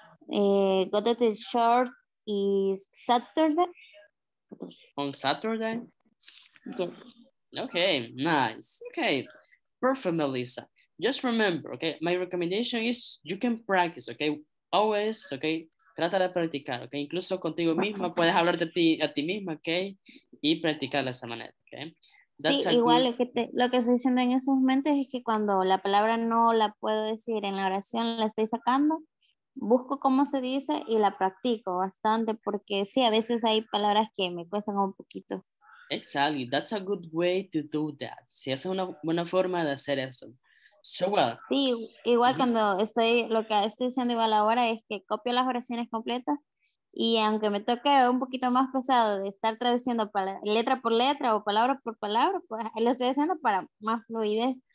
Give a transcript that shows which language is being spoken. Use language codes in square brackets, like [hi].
[en] Go to the church is Saturday. On Saturday? Yes. Okay, nice. Okay, perfect, Melissa. Just remember, okay, my recommendation is you can practice, okay? Always, okay? [es] Trata de practicar, [en] okay? [es] Incluso contigo misma, puedes hablar de ti, a ti misma, okay? Y practicar de esa manera, okay? [en] That's [es] sí, igual [en] good... [es] lo que estoy diciendo en esos momentos es que cuando la palabra no la puedo decir en la oración, la estoy sacando, busco cómo se dice y la practico bastante, porque sí, a veces hay palabras que me cuestan un poquito. [en] Exactly, that's a good way to do that. [es] Sí, esa es una buena forma de hacer eso. [en] So well. [es] Sí, igual cuando estoy, lo que estoy haciendo igual ahora es que copio las oraciones completas y aunque me toque un poquito más pesado de estar traduciendo letra por letra o palabra por palabra, pues lo estoy haciendo para más fluidez.